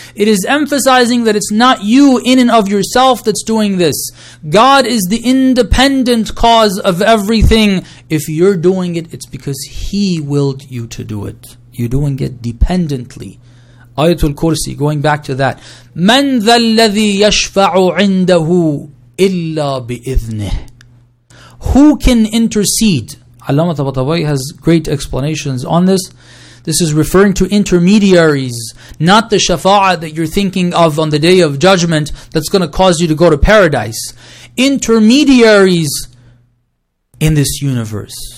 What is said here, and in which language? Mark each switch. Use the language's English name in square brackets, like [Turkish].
[English] It is emphasizing that it's not you in and of yourself that's doing this. God is the independent cause of everything. If you're doing it, it's because He willed you to do it. You're doing it dependently. Ayatul Kursi, going back to that. [Arabic] مَنْ ذَا الَّذِي يَشْفَعُ عِنْدَهُ إِلَّا بِإِذْنِهِ [English] Who can intercede? Allama Tabatabai has great explanations on this. This is referring to intermediaries, not the shafa'ah that you're thinking of on the Day of Judgment that's going to cause you to go to paradise. Intermediaries in this universe.